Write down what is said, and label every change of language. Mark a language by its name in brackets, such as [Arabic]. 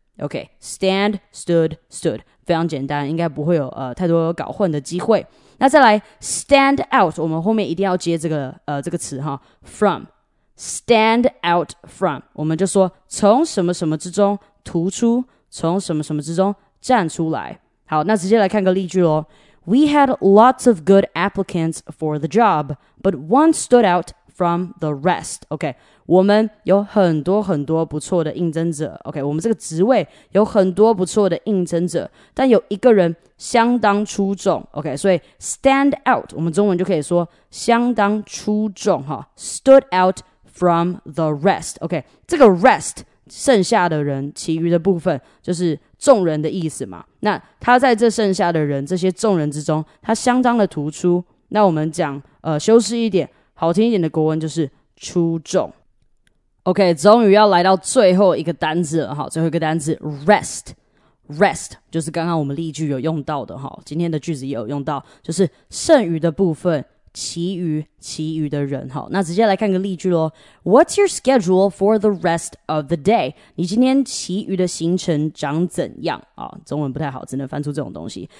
[Chinese] OK, stand, stood, stood, 非常简单，应该不会有太多搞混的机会。那再来 ,stand out, 我们后面一定要接这个这个词哈 ,from, stand out from, 我们就说从什么什么之中突出，从什么什么之中站出来。好，那直接来看个例句咯。 [English] We had lots of good applicants for the job, but one stood out from the rest. [Chinese] OK,我们有很多很多不错的应征者 OK 我们这个职位有很多不错的应征者但有一个人相当出众 OK 所以 stand out 我们中文就可以说相当出众 [English] stood out from the rest [Chinese] OK 这个 rest 剩下的人其余的部分就是众人的意思嘛那他在这剩下的人这些众人之中他相当的突出那我们讲修饰一点好听一点的国文就是出众OK, 终于要来到最后一个单字了齁最后一个单字 ,rest。 rest, 就是刚刚我们例句有用到的齁今天的句子也有用到就是剩余的部分其余的人齁那直接来看个例句咯。 [English] What's your schedule for the rest of the day? [Chinese] 你今天其余的行程长怎样齁中文不太好只能翻出这种东西。